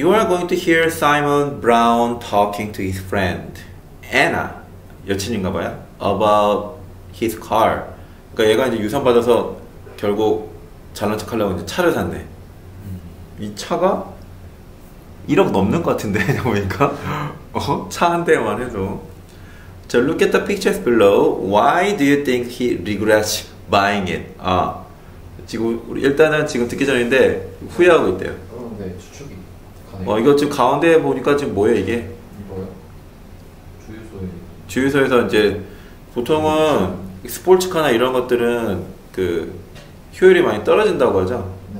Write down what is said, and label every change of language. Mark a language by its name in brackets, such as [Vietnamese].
[English] You are going to hear Simon Brown talking to his friend Anna, [Korean] 여친인가 봐요, [English] about his car. [Korean] 그러니까 얘가 이제 유산 받아서 결국 잘난 척하려고 이제 차를 샀네. 이 차가 1억 넘는 것 같은데, 보니까. 차한 대만 해도. 자, [English] look at the pictures below. Why do you think he regrets buying it? [Korean] 아, 지금 우리 일단은 지금 듣기 전인데 후회하고 있대요. 네, 추측이 가네요. 이거 지금 가운데 보니까 지금 뭐예요, 이게? 이거요? 주유소에. 주유소에서 이제 보통은 스포츠카나 이런 것들은 그 효율이 많이 떨어진다고 하죠.